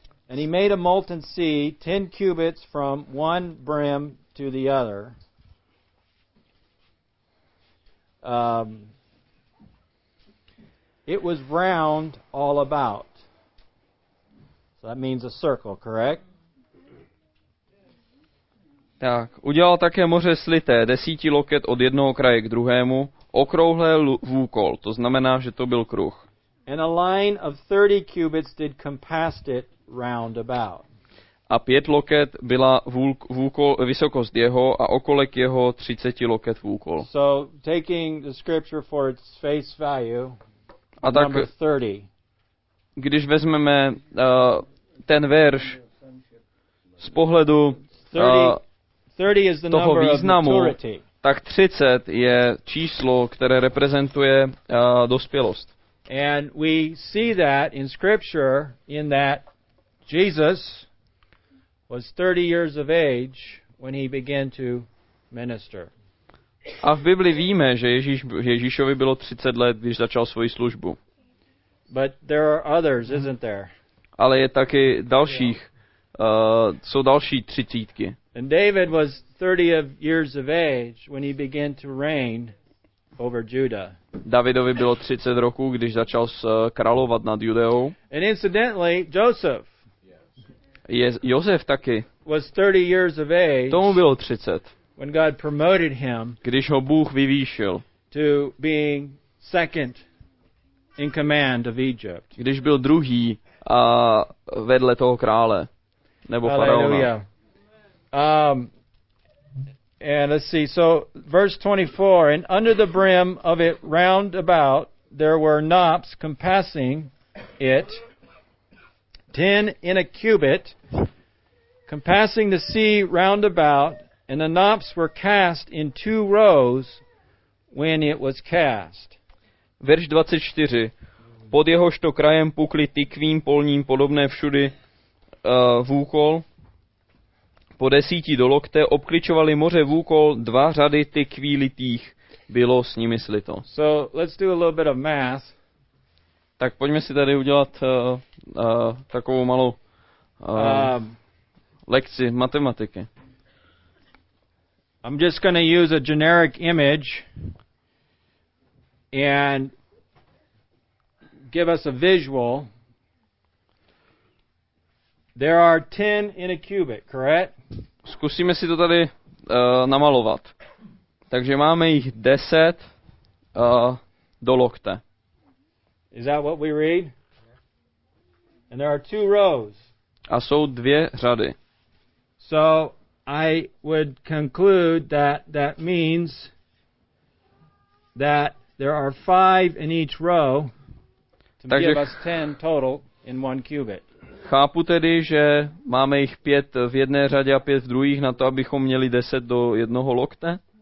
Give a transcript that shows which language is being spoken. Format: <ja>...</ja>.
<en>And he made a molten sea 10 cubits from one brim to the other. It was round all about. That means a circle, correct?</en> <cs>Tak, udělal také moře slité, 10 loket od jednoho kraje k druhému, okrouhlé vůkol, to znamená, že to byl kruh.</cs> <en>And a line of 30 cubits did compass it round about.</en> <cs>A 5 loket byla vůkol, vysokost jeho a okolek jeho 30 loket vůkol.</cs> <en>So, taking the scripture for its face value,</en> <cs>a tak,</cs> <en>number 30.</en> <cs>Když vezmeme ten verš z pohledu 30 toho významu, tak 30 je číslo, které reprezentuje dospělost.</cs> <en>And we see that in scripture in that Jesus was 30 years of age when he began to minister.</en> <cs>A v Bibli víme, že Ježíšovi bylo 30 let, když začal svoji službu.</cs> <en>But there are others, isn't there?</en> <cs>Ale je taky dalších, jsou další třicítky.</cs> <en>And David was 30 years of age when he began to reign over Judah.</en> <cs>Davidovi bylo 30 roků, když začal královat nad Judeou.</cs> <en>And incidentally, Joseph. Yes.</en> <cs>Josef taky.</cs> <en>Was 30 years of age.</en> <cs>Tomu bylo 30.</cs> <en>When God promoted him.</en> <cs>Když ho Bůh vyvýšil.</cs> <en>To being second in command of Egypt.</en> <cs>Když byl druhý a vedle toho krále nebo faraona.</cs> <en>And let's see. So verse 24, and under the brim of it round about there were knops compassing it 10 in a cubit compassing the sea round about and the knops were cast in two rows when it was cast.</en> <cs>Verš 24. Pod jehožto krajem pukli tykvým polním podobné všudy vůkol. Po 10 do lokte obkličovali moře vůkol, 2 řady tykví litých. Bylo s nimi slito.</cs> <en>So, let's do a little bit of math.</en> <cs>Tak pojďme si tady udělat takovou malou lekci matematiky.</cs> <en>I'm just going to use a generic image and give us a visual. There are 10 in a cubit, correct?</en> <cs>Zkusíme si to tady namalovat. Takže máme jich 10 do lokte.</cs> <en>Is that what we read? And there are two rows.</en> <cs>A jsou dvě řady.</cs> <en>So I would conclude that means that there are 5 in each row.</en> <cs>Takže</cs> <en>give us 10 total in one cubit.</en> <cs>Chápu tedy, že máme jich pět v jedné řadě a pět v druhých na to, abychom měli 10 do jednoho lokte?</cs>